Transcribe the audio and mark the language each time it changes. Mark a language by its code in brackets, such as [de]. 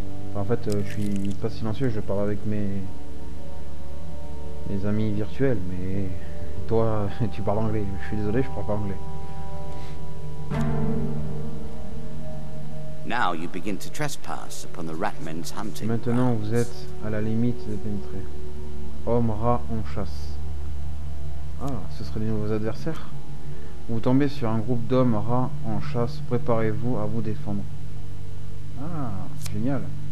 [fr] Enfin, en fait, je suis pas silencieux, je parle avec mes amis virtuels, mais toi, tu parles anglais. Je suis désolé, je parle pas anglais. [en] Now you begin to trespass upon the ratmen's hunting. [fr] Maintenant, vous êtes à la limite de pénétrer. Homme rat en chasse. Ah, ce seraient les nouveaux adversaires. Vous tombez sur un groupe d'hommes rats en chasse. Préparez-vous à vous défendre. Ah, génial.